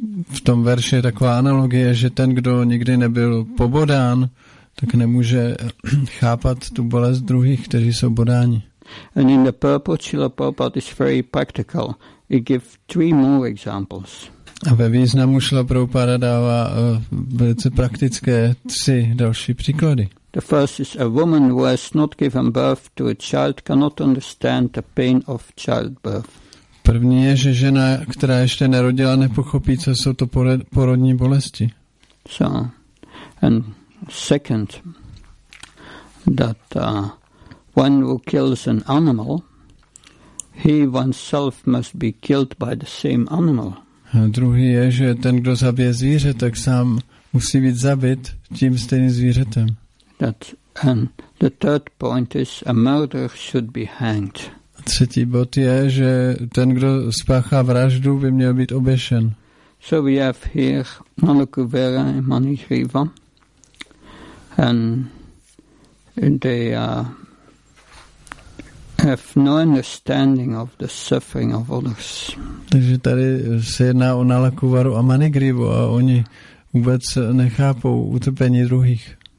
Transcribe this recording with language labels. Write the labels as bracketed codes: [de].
[cs] V tom verši je taková analogie, že ten, kdo nikdy nebyl pobodán, tak nemůže chápat tu bolest druhých, kteří jsou bodáni. [en] And in the purport, Srila Prabhupada is very practical. He gives three more examples. [cs] A ve významu Šila Prabhupada dává velice praktické tři další příklady. [en] The first is a woman who has not given birth to a child cannot understand the pain of childbirth. [cs] První je, že žena, která ještě nerodila, nepochopí, co jsou to porodní bolesti. [en] So, and second, that one who kills an animal, he oneself must be killed by the same animal. [cs] A druhý je, že ten, kdo zabije zvíře, tak sám musí být zabit tím stejným zvířetem. [en] And the third point is a murderer should be hanged. [cs] A třetí bod je, že ten, kdo spáchá vraždu, by měl být oběšen. [en] So we have here Nalakuvera and Manishriva, and they have no understanding of the suffering of others. [cs] Takže tady se jedná o Nalakuvaru a Manigrivu a oni vůbec nechápou utrpení druhých.